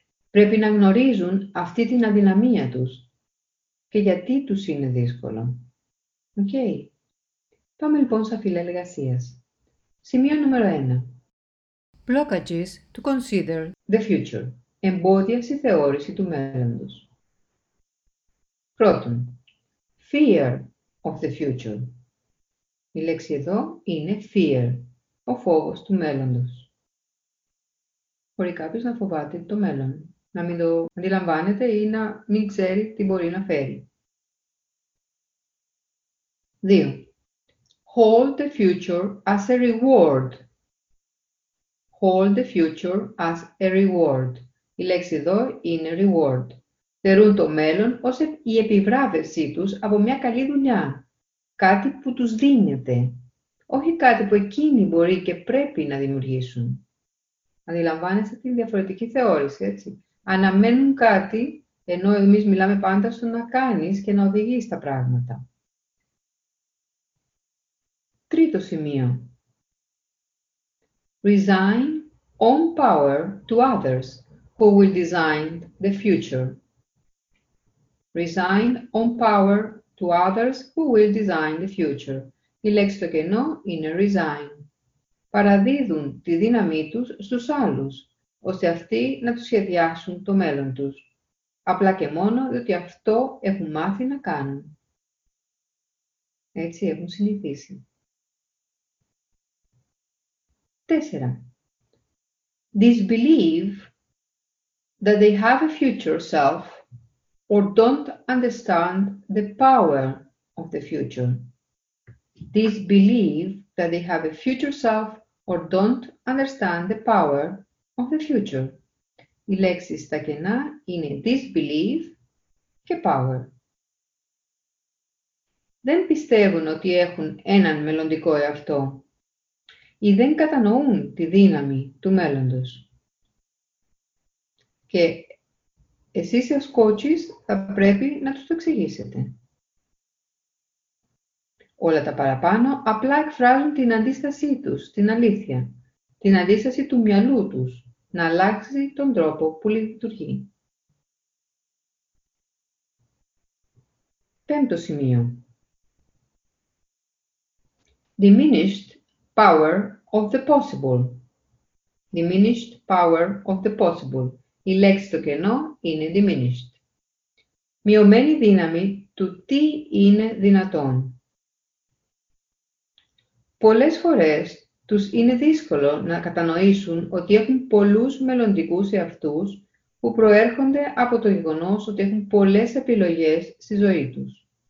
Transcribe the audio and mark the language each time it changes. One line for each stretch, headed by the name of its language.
Greek: Πρέπει να γνωρίζουν αυτή την αδυναμία τους και γιατί τους είναι δύσκολο. Okay. Πάμε λοιπόν στα φύλλα εργασίας. Σημείο νούμερο 1.
English: Blockages to consider the future.
Greek: Εμπόδια στη θεώρηση του μέλλοντος. Πρώτον,
English: fear of the future.
Greek: Η λέξη εδώ είναι fear, ο φόβος του μέλλοντος. Μπορεί κάποιος να φοβάται το μέλλον, να μην το αντιλαμβάνεται ή να μην ξέρει τι μπορεί να φέρει. 2.
English: Hold the future as a reward. Hold the future as a reward.
Greek: Η λέξη εδώ είναι reward. Θεωρούν το μέλλον ως η επιβράβευσή τους από μια καλή δουλειά. Κάτι που τους δίνεται. Όχι κάτι που εκείνοι μπορεί και πρέπει να δημιουργήσουν. Αντιλαμβάνεστε την διαφορετική θεώρηση, έτσι. Αναμένουν κάτι, ενώ εμείς μιλάμε πάντα στο να κάνεις και να οδηγείς τα πράγματα. Τρίτο σημείο.
English: Resign own power to others who will design the future. Resign own power to others who will design the future.
Greek: Η λέξη το κενό είναι resign. Παραδίδουν τη δύναμή τους στους άλλους, ώστε αυτοί να τους σχεδιάσουν το μέλλον τους. Απλά και μόνο διότι αυτό έχουν μάθει να κάνουν. Έτσι έχουν συνηθίσει. 4.
English: Disbelieve that they have a future self or don't understand the power of the future. Disbelieve that they have a future self or don't understand the power of the future.
Greek: Οι λέξεις στα κενά είναι disbelieve και power. Δεν πιστεύουν ότι έχουν έναν μελλοντικό εαυτό ή δεν κατανοούν τη δύναμη του μέλλοντος. Και εσείς ως coaches θα πρέπει να τους το εξηγήσετε. Όλα τα παραπάνω απλά εκφράζουν την αντίστασή τους, την αλήθεια, την αντίσταση του μυαλού τους, να αλλάξει τον τρόπο που λειτουργεί. Πέμπτο σημείο.
English: Diminished power of the possible. Diminished power of the possible.
Greek: Η λέξη στο κενό είναι diminished. Μειωμένη δύναμη του τι είναι δυνατόν. Πολλές φορές τους είναι δύσκολο να κατανοήσουν ότι έχουν πολλούς μελλοντικούς εαυτούς που προέρχονται από το γεγονός ότι έχουν πολλές επιλογές στη ζωή τους.